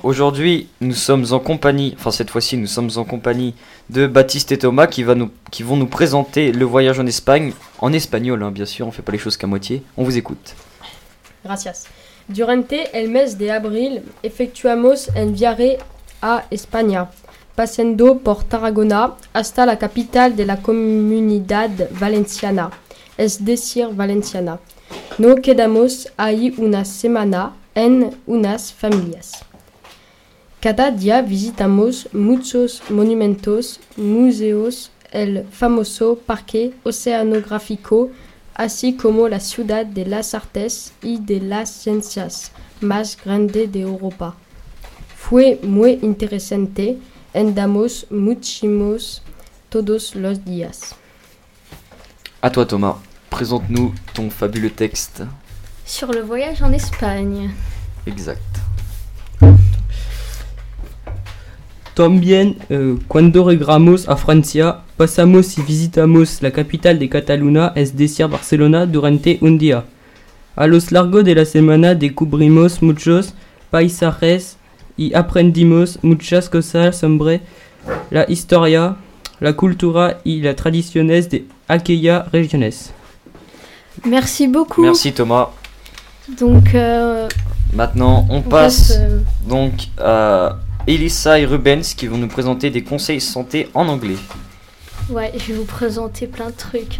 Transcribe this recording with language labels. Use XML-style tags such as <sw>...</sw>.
<fr>Aujourd'hui, nous sommes en compagnie, nous sommes en compagnie de Baptiste et Thomas qui vont nous présenter le voyage en Espagne, en espagnol, hein, bien sûr, on ne fait pas les choses qu'à moitié. On vous écoute.</fr> <es>Gracias. Durante el mes de abril, efectuamos un viaje a España, pasando por Tarragona hasta la capital de la comunidad valenciana, es decir, valenciana. Nos quedamos ahí una semana en unas familias. Cada día visitamos muchos monumentos, museos, el famoso parque oceanográfico, así como la ciudad de las artes y de las ciencias más grande de Europa. Fue muy interesante, andamos muchísimos todos los días.</es> <fr>A toi Thomas, présente-nous ton fabuleux texte. Sur le voyage en Espagne. Exact.</fr> <es>También cuando regresamos a Francia Passamos y visitamos la capitale de Cataluña, es decir Barcelona, durante un día. A lo largo de la semana descubrimos muchos paisajes y aprendimos muchas cosas sobre la historia, la cultura y la tradiciones de aquella regiones.</es> <fr>Merci beaucoup. Merci Thomas. Donc, maintenant, on passe donc à Elissa et Rubens qui vont nous présenter des conseils santé en anglais. Ouais, je vais vous présenter plein de trucs.</fr>